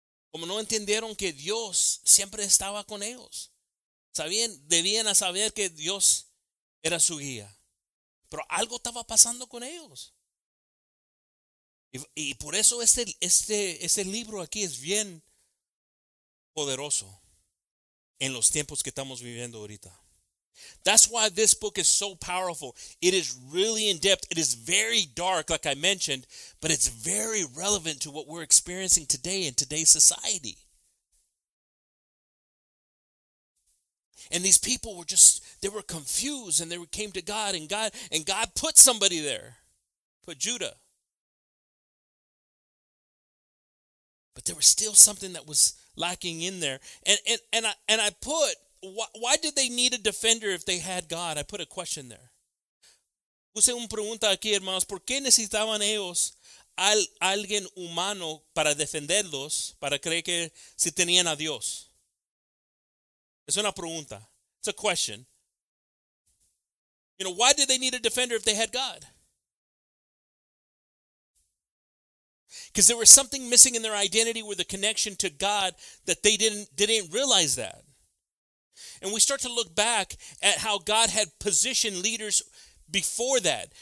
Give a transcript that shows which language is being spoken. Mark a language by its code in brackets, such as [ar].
[es] Como no entendieron que Dios siempre estaba con ellos, sabían, debían saber que Dios era su guía. Pero algo estaba pasando con ellos. Y por eso este libro aquí es bien poderoso en los tiempos que estamos viviendo ahorita. [en] That's why this book is so powerful. It is really in depth. It is very dark, like I mentioned, but it's very relevant to what we're experiencing today in today's society. And these people were just, they were confused, and they came to God, and God put somebody there, put Judah. But there was still something that was lacking in there. And I put, why did they need a defender if they had God? I put a question there. [es] Puse una pregunta aquí, hermanos. ¿Por qué necesitaban ellos alguien humano para defenderlos, para creer que si tenían a Dios? Es una pregunta. [en] It's a question. You know, why did they need a defender if they had God? Because there was something missing in their identity with the connection to God that they didn't realize that. And we start to look back at how God had positioned leaders before that.